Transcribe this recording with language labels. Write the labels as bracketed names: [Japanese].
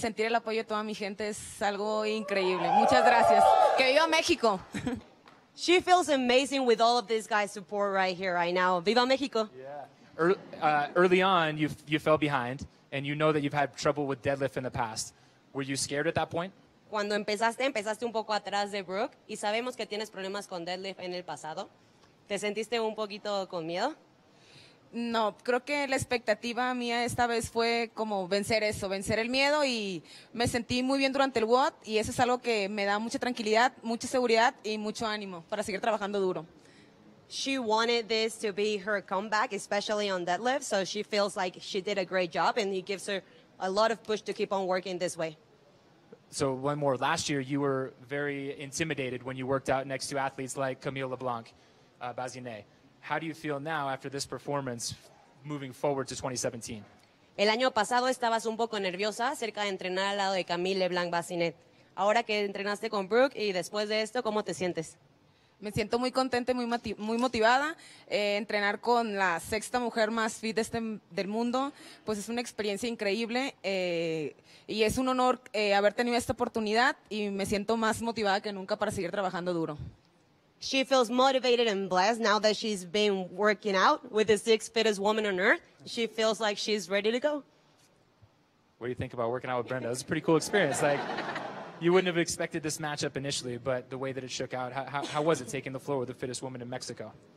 [Spanish] Sentir el apoyo de toda mi gente es algo increíble. Muchas gracias. ¡Que viva México! [English] She feels amazing with all of this guy's support right here, right now. [Spanish] ¡Viva México! [English] Yeah. Early on, you fell behind, and you know that you've had trouble with deadlift in the past. Were you scared at that point? [Spanish] Cuando empezaste un poco atrás de Brooke, y sabemos que tienes problemas con deadlift en el pasado. ¿Te sentiste un poquito con miedo? No, creo que la expectativa mía esta vez fue como vencer eso, vencer el miedo, y me sentí muy bien durante el WOD, y eso es algo que me da mucha tranquilidad, mucha seguridad, y mucho ánimo para seguir trabajando duro. [English] She wanted this to be her comeback, especially on deadlift, so she feels like she did a great job, and it gives her a lot of push to keep on working this way. So one more. Last year, you were very intimidated when you worked out next to athletes like Camille LeBlanc, Bazinet. How do you feel now after this performance moving forward to 2017? [Spanish] El año pasado estabas un poco nerviosa acerca de entrenar al lado de Camille LeBlanc Bazinet. Ahora que entrenaste con Brooke y después de esto, ¿cómo te sientes? Me siento muy contenta y muy motivada. Entrenar con la sexta mujer más fit del mundo, pues es una experiencia increíble. Y es un honor haber tenido esta oportunidad y me siento más motivada que nunca para seguir trabajando duro. [English] She feels motivated and blessed now that she's been working out with the sixth fittest woman on earth. She feels like she's ready to go. What do you think about working out with Brenda? It's a pretty cool experience. Like, you wouldn't have expected this matchup initially, but the way that it shook out, how was it taking the floor with the fittest woman in Mexico?